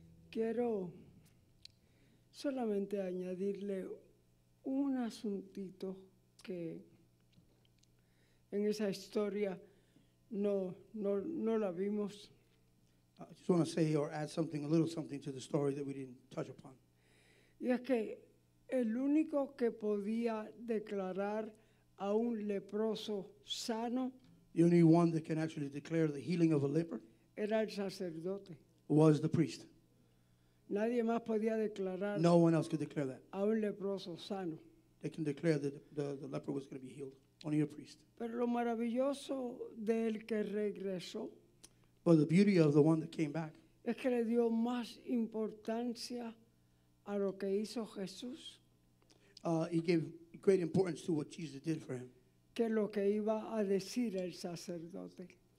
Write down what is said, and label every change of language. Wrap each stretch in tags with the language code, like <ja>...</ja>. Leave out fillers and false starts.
<es>Quiero solamente añadirle un asuntito que en esa historia no la vimos.</es> <en>I just want to say or add something, a little something to the story that we didn't touch upon.</en> <es>Y es que el único que podía declarar a un leproso sano,</es> <en>the only one that can actually declare the healing of a leper,</en> <es>era el sacerdote,</es> <en>was the priest.</en> <es>Nadie más podía declarar,</es> <en>no one else could declare that,</en> <es>a un leproso sano.</es> <en>They can declare that the leper was going to be healed, only a priest.</en> <es>Pero lo maravilloso del que regresó,</es> <en>but the beauty of the one that came back,</en> <es>es que le dio más importancia a lo que hizo Jesús.</es> <en>He gave great importance to what Jesus did for him.</en> <es>Que lo que iba a decir el sacerdote.</es>